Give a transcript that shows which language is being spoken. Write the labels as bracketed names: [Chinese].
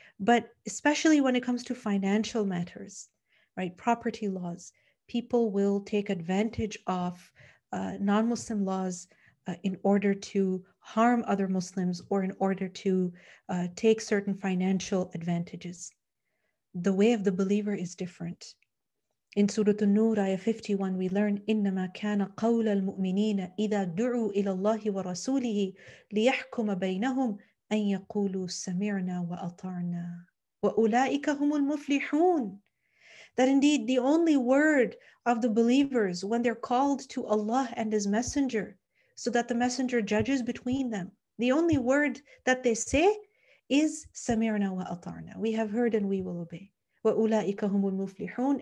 [English] But especially when it comes to financial matters, right, property laws, people will take advantage of non-Muslim laws in order to harm other Muslims or in order to take certain financial advantages. The way of the believer is different. In Surah An-Nur, ayah 51, we learn, [Arabic] إِنَّمَا كَانَ قَوْلَ الْمُؤْمِنِينَ إِذَا دُعُوا إِلَى اللَّهِ وَرَسُولِهِ لِيَحْكُمَ بَيْنَهُمْ أَنْ يَقُولُوا سَمِعْنَا وَأَطَعْنَا وَأُولَٰئِكَ هُمُ الْمُفْلِحُونَ. [English] That indeed the only word of the believers when they're called to Allah and His Messenger, so that the Messenger judges between them, the only word that they say is [Arabic] سَمِعْنَا وَأَطَعْنَا. [English] We have heard and we will obey. [Arabic] وَأُولَٰئِكَ هُمُ الْمُفْلِحُونَ.